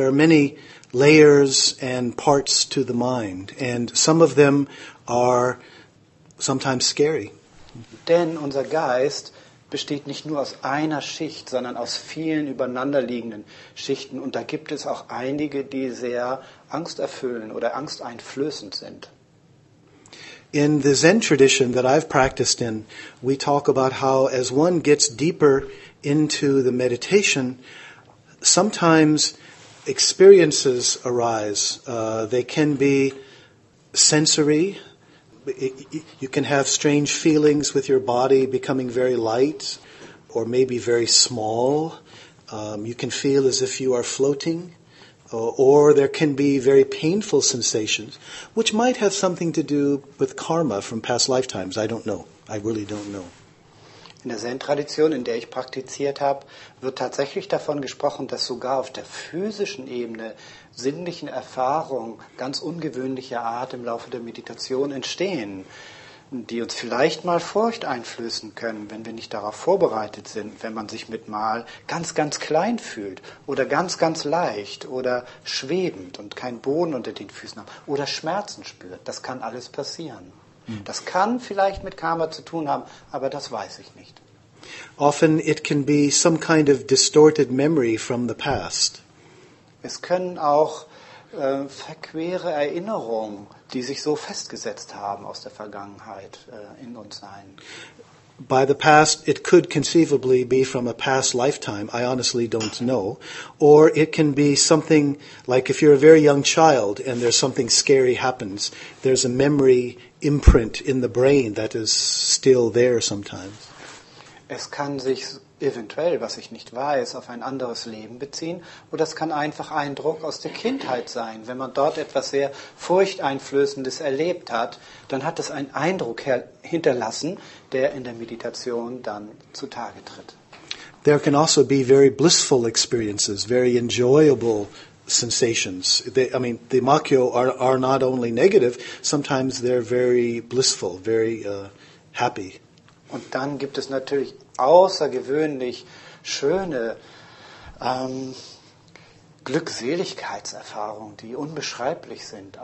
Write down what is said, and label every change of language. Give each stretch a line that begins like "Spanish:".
English: There are many layers and parts to the mind, and some of them are sometimes scary.
German: Denn unser Geist besteht nicht nur aus einer Schicht, sondern aus vielen übereinanderliegenden Schichten, und da gibt es auch einige, die sehr angsterfüllend oder angsteinflößend sind.
English: In the Zen tradition that I've practiced in, we talk about how as one gets deeper into the meditation, sometimes experiences arise. They can be sensory. You can have strange feelings with your body becoming very light or maybe very small. You can feel as if you are floating. Or there can be very painful sensations, which might have something to do with karma from past lifetimes. I don't know. I really don't know.
German: In der Zen-Tradition, in der ich praktiziert habe, wird tatsächlich davon gesprochen, dass sogar auf der physischen Ebene sinnliche Erfahrungen ganz ungewöhnlicher Art im Laufe der Meditation entstehen, die uns vielleicht mal Furcht einflößen können, wenn wir nicht darauf vorbereitet sind, wenn man sich mit mal ganz, ganz klein fühlt oder ganz, ganz leicht oder schwebend und keinen Boden unter den Füßen hat oder Schmerzen spürt. Das kann alles passieren. Das kann vielleicht mit Karma zu tun haben, aber das weiß ich nicht.
English: Often it can be some kind of distorted memory from the past.
German: Es können auch verquere Erinnerungen, die sich so festgesetzt haben aus der Vergangenheit, in uns sein.
English: By the past, it could conceivably be from a past lifetime. I honestly don't know. Or it can be something like if you're a very young child and there's something scary happens, there's a memory imprint in the brain that is still there sometimes.
German: Es kann sich eventuell, was ich nicht weiß, auf ein anderes Leben beziehen. Oder es kann einfach ein Druck aus der Kindheit sein. Wenn man dort etwas sehr Furchteinflößendes erlebt hat, dann hat das einen Eindruck hinterlassen, der in der Meditation dann zutage tritt.
English: There can also be very blissful experiences, very enjoyable sensations. The makyo are not only negative, sometimes they're very blissful, very happy.
German: Und dann gibt es natürlich außergewöhnlich schöne Glückseligkeitserfahrungen, die unbeschreiblich sind.